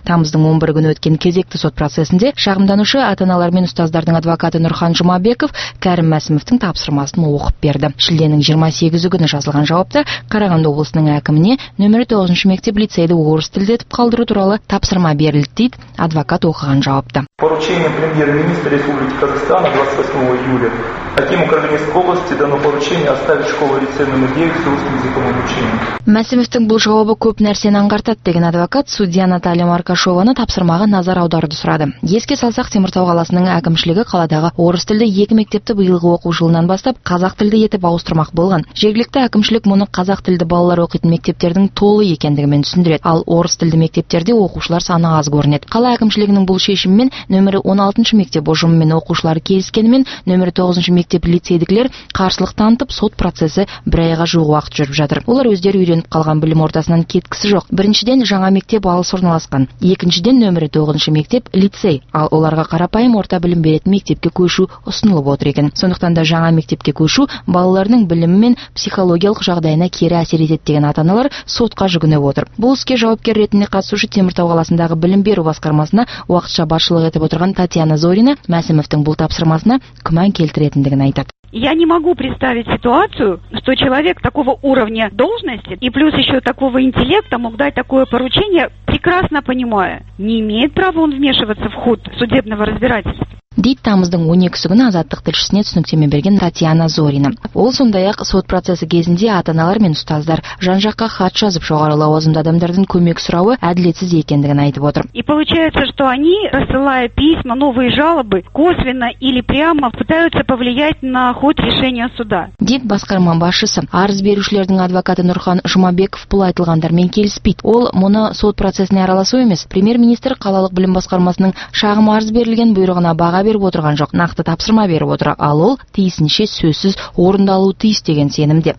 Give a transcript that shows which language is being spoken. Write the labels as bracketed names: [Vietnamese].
[Kazakh] Тамыздың 11-і күні өткен кезекті сот процесінде шағымданушы ата-аналар мен ұстаздардың адвокаты Нұрхан Жұмабеков Кәрім Мәсімовтің тапсырмасын оқып берді. Шілденің 28-і күні жазылған жауапта Қарағанды облысының әкіміне нөмірі 9-шы мектеп лицейді орыс тілді етіп қалдыру туралы тапсырма берілді дейді адвокат оқыған жауапты. [Russian] Поручение премьер-министра Республики Казахстан 28 июля. Акиму Карагандинской области дано поручение оставить школу лицей номер 9 с русским языком обучения. [Kazakh] Мәсімовтің бұл жауабы көп нәрсені аңғартады деген адвокат судья Наталья Маркашованы тапсырмаға назар аударды сұрады. Еске салсақ, Теміртау қаласының әкімшілігі қаладағы орыс тілді 2 мектепті биылғы оқу жылынан бастап қазақ тілді етіп ауыстырмақ болған. Жергілікті әкімшілік мұны қазақ тілді балалар оқитын мектептердің толық болу екендігімен түсіндіреді. Ал орыс тілді мектептерде оқушылар саны аз көрінеді. Қала әкімшілігінің бұл шешімімен нөмірі 16 мектеп ұжымымен оқушылары келіскенімен нөмірі 9 мектеп лицейдікілер қарсылық танытып, сот процесі бір айға жуық уақыт жүріп жатыр. Олар өздері үйреніп қалған білім ортасынан кеткісі жоқ. Біріншіден жаңа мектеп алыс орналасқан. Екіншіден нөмірі 9 мектеп лицей, ал оларға қарапайым орта білім беретін мектепке көшу ұсынылып отыр екен. Сондықтан да жаңа мектепке көшу балалардың білімі мен психологиялық жағдайына кері әсер етеді деген ата-аналар сотқа жүгініп отыр. Бұл іске жауапкер ретінде қатысушы Теміртау қаласындағы білім беру басқармасына уақытша басшылық етіп отырған Татьяна Зорина Мәсімовтің бұл тапсырмасына күмән келтіретіндігін айтады. [Russian] Я не могу представить ситуацию, что человек такого уровня должности и плюс еще такого интеллекта мог дать такое поручение, прекрасно понимая, не имеет права он вмешиваться в ход судебного разбирательства. [Kazakh] Дейді тамыздың 12 күні азаттық тілшісіне түсініктеме берген Татьяна Зорина. Ол сондай-ақ сот процесі кезінде ата-аналар мен ұстаздар жан-жаққа хат жазып жоғары лауазымды адамдардың көмек сұрауы әділетсіз екендігін айтып отыр. [Russian] И получается, что они, рассылая письма, новые жалобы, косвенно или прямо пытаются повлиять на ход решения суда. [Kazakh] Дейді басқарма басшысы, арыз берушілердің адвокаты Нұрхан Жұмабеков бұл айтылғандармен келіспейді. Ол мұны сот процесіне араласу емес, премьер-министр қалалық білім басқармасының шағым арыз берілген бұйрығына баға беріп отырған жоқ, нақты тапсырма беріп отыр. Ал ол тиісінше сөзсіз орындалуы тиіс деген сенімде.